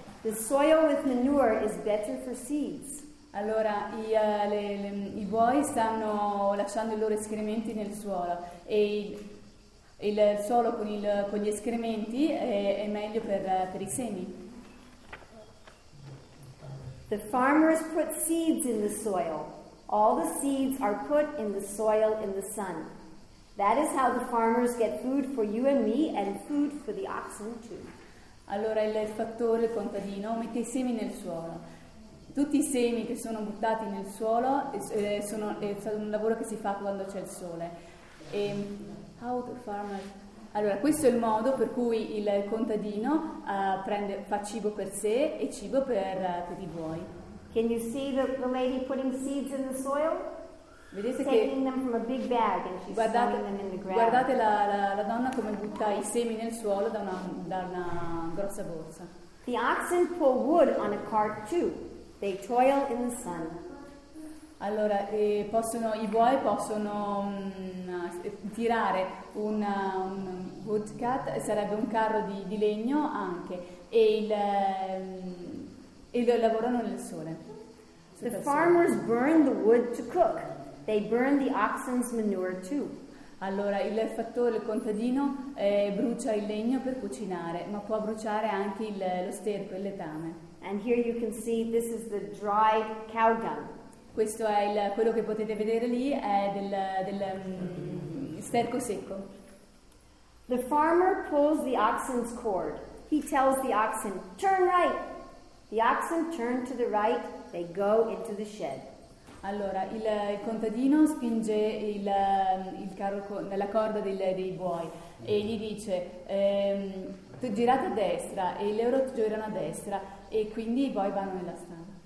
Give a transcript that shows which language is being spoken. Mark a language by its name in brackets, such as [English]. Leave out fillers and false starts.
[English] The soil with manure is better for seeds. [Italian] Allora, i buoi stanno lasciando i loro escrementi nel suolo. E il suolo con gli escrementi è meglio per i semi. [English] The farmers put seeds in the soil. All the seeds are put in the soil in the sun. That is how the farmers get food for you and me and food for the oxen too. [Italian] Allora il fattore, il contadino, mette i semi nel suolo. Tutti i semi che sono buttati nel suolo sono un lavoro che si fa quando c'è il sole. E [English] how the farmer... [Italian] Allora, questo è il modo per cui il contadino fa cibo per sé e cibo per i buoi. [English] Can you see the lady putting seeds in the soil? [Italian] Vedete [English] taking them from a big bag and she's throwing them in the ground. [Italian] Guardate la donna come butta i semi nel suolo da una grossa borsa. [English] The oxen pull wood on a cart too. They toil in the sun. [Italian] Allora, i buoi possono tirare un woodcut, sarebbe un carro di legno anche, e lo lavorano nel sole. [English] The farmers burn the wood to cook. They burn the oxen's manure too. [Italian] Allora, il contadino brucia il legno per cucinare, ma può bruciare anche lo sterco e il letame. [English] And here you can see this is the dry cow dung. [Italian] Questo è quello che potete vedere lì, è del sterco secco. [English] The farmer pulls the oxen's cord. He tells the oxen, turn right. The oxen turn to the right, they go into the shed. [Italian] Allora, il contadino spinge il carro nella corda dei buoi e gli dice, girate a destra, e loro girano a destra, e quindi i buoi vanno nella stanza.